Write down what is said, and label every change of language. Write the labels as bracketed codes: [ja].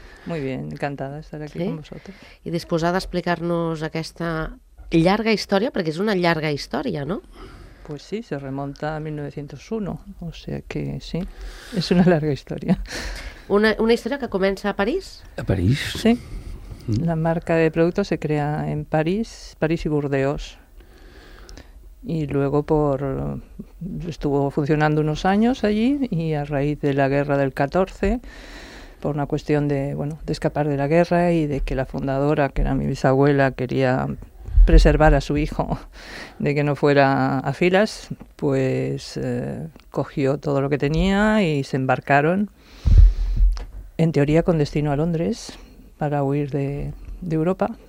[es] Muy bien, encantada [ca] d'estar aquí [es] con vosotros. [ca] I disposada a explicar-nos aquesta llarga història, perquè és una llarga història, no? [es] Pues sí, se remonta a 1901, o sea que sí, es una larga historia. Una historia que comienza a París. A París. Sí. La marca de productos se crea en París, París y Burdeos. Y luego estuvo funcionando unos años allí y a raíz de la guerra del 14, por una cuestión de escapar de la guerra y de que la fundadora, que era mi bisabuela, quería preservar a su hijo de que no fuera a filas, pues cogió todo lo que tenía y se embarcaron, en teoría con destino a Londres, para huir de Europa.